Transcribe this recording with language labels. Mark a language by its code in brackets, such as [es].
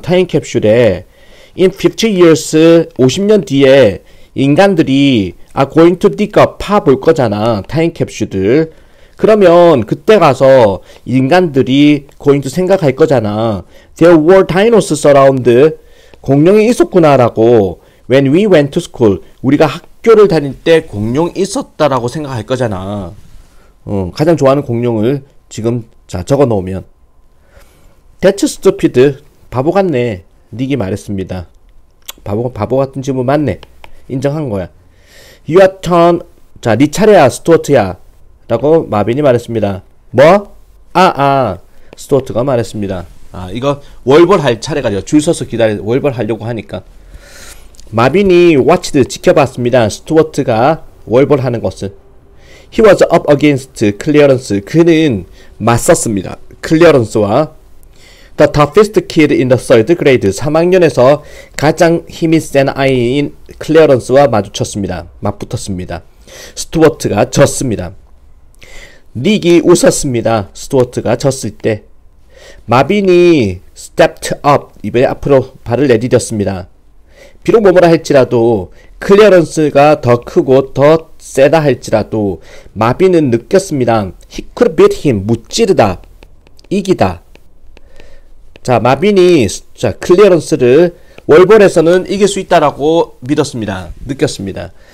[ko] 타임캡슐에 [en] in 50 years [ko] 50년 뒤에 인간들이 [en] are going to dig up [ko] 파볼 거잖아. 타임캡슐들. 그러면 그때 가서 인간들이 [en] going to [ko] 생각할 거잖아. [en] There were dinosaurs around. [ko] 공룡이 있었구나라고. [en] When we went to school, [ko] 우리가 학교를 다닐 때 공룡 있었다라고 생각할 거잖아. 가장 좋아하는 공룡을 지금 자 적어 놓으면 [en] That's stupid. [ko] 바보 같네. 닉이 말했습니다. 바보 같은 질문 맞네. 인정한 거야. [en] Your turn. [ko] 자, 네 차례야, 스튜어트야. 라고 마빈이 말했습니다. 뭐? 스튜어트가 말했습니다. 아, 이거 월벌할 차례가 돼요. 줄 서서 기다려 월벌하려고 하니까. 마빈이 watched 지켜봤습니다. 스튜어트가 월벌하는 것을. [en] He was up against clearance. [ko] 그는 맞섰습니다. [en] 클리어런스와 The toughest kid in the third grade. [ko] 3학년에서 가장 힘이 센 아이인 클리어런스와 마주쳤습니다. 맞붙었습니다. 스튜어트가 졌습니다. 닉이 웃었습니다. 스튜어트가 졌을 때. [en] 마빈이 stepped up. [ko] 입에 앞으로 발을 내디뎠습니다. 비록 뭐뭐라 할지라도, 클리어런스가 더 크고 더 세다 할지라도, 마빈은 느꼈습니다. [en] He could beat him. [ko] 무찌르다. 이기다. 자, 마빈이, 자, 클리어런스를 월벌에서는 이길 수 있다라고 믿었습니다. 느꼈습니다.